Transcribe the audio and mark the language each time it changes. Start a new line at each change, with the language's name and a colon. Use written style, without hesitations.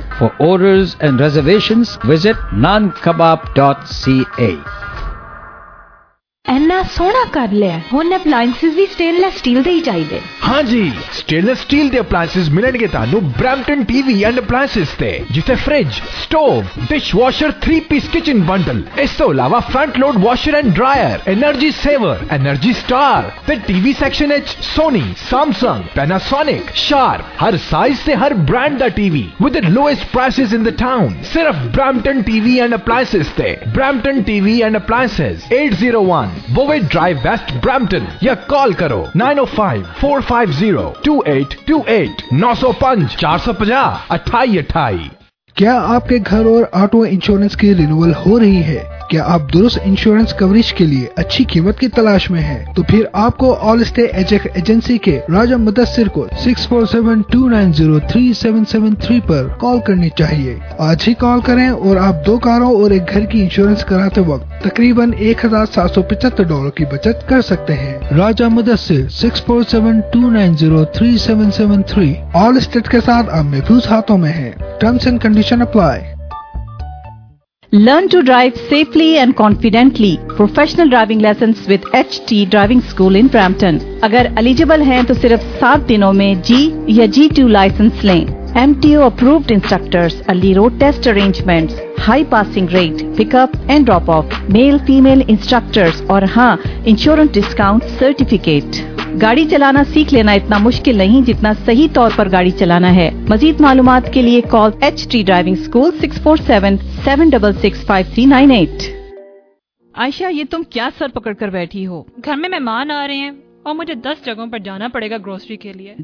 English: For orders and reservations, visit nankebab.ca.
Punjabi: ਇੰਨਾ ਸੋਹਣਾ ਕਰ ਲਿਆ ਹੁਣ ਅਪਲਾਈਂਸਿਸ ਵੀ ਸਟੇਨਲੈਸ ਸਟੀਲ ਦੇ ਹੀ ਚਾਹੀਦੇ ਹਾਂਜੀ ਸਟੇਨਲੈਸ ਸਟੀਲ ਦੇ ਅਪਲਾਈਂਸਿਸ ਮਿਲਣਗੇ ਤੁਹਾਨੂੰ ਬ੍ਰੈਂਪਟਨ ਟੀਵੀ ਐਂਡ ਅਪਲਾਈਂਸਿਸ ਤੇ ਜਿੱਥੇ fridge stove dishwasher 3 piece kitchen bundle ਇਸ ਤੋਂ ਇਲਾਵਾ front load washer and dryer energy saver energy star ਤੇ ਟੀਵੀ ਸੈਕਸ਼ਨ ਵਿੱਚ ਸੋਨੀ ਸੈਮਸੰਗ ਪੈਨਾਸੋਨਿਕ ਸ਼ਾਰਪ ਹਰ ਸਾਈਜ਼ ਤੇ ਹਰ brand ਦਾ TV
English: with lowest prices in the town
Punjabi: ਸਿਰਫ Brampton TV and ਅਪਲਾਈਂਸਿਸ ਤੇ Brampton TV and ਅਪਲਾਈਂਸਿਸ 801 Bowie Drive West Brampton ya call karo 905-450-2828 905-450-2828
Hindi: क्या आपके घर और auto insurance की रिन्यूअल हो रही है क्या आप दुरुस्त इंश्योरेंस कवरेज के लिए अच्छी कीमत की तलाश में हैं? तो फिर आपको ऑल स्टे एजेक एजेंसी के राजा मुदस्सिर को 6472903773 पर कॉल करनी चाहिए आज ही कॉल करें और आप दो कारों और एक घर की इंश्योरेंस कराते वक्त तकरीबन $1,775 की बचत कर सकते हैं राजा मुदस्सिर 6472903773 ऑल स्टेट के साथ अब महफूज हाथों में है
English: Terms and condition apply Learn to drive safely and confidently. Professional driving lessons with HT Driving School in Brampton.
Hindi: Agar eligible hain to sirf 7 dino mein G ya G2 license lein.
English: MTO approved instructors, early road test arrangements, high passing rate, pickup and drop off, male female instructors aur haan insurance discount certificate.
Hindi: गाड़ी चलाना सीख लेना इतना मुश्किल नहीं जितना सही तौर पर गाड़ी चलाना है मजीद मालूमात के लिए call HT driving school 6477665398 Ayesha ये तुम क्या सर पकड़ कर बैठी हो घर में मेहमान आ रहे हैं और मुझे 10 जगहों पर जाना पड़ेगा ग्रोसरी के लिए